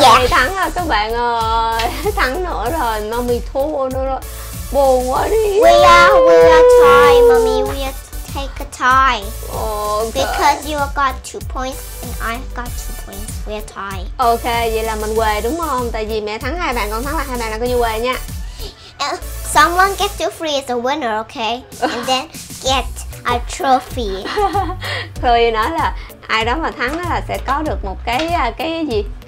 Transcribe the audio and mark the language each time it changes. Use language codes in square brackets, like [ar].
[vi] Thắng rồi các bạn ơi, thắng nữa rồi, mommy thua nữa rồi, buồn quá đi. [en] We are tied, mommy, we are take a tie. Okay. Because you got 2 points and I got 2 points, we are tied. [vi] Ok, vậy là mình què đúng không? Tại vì mẹ thắng hai bạn, con thắng là hai bạn là coi như què nha. [en] Someone get 2 free is a winner, okay? And then get a trophy. [vi] Chloe nói là ai đó mà thắng là sẽ có được một cái gì?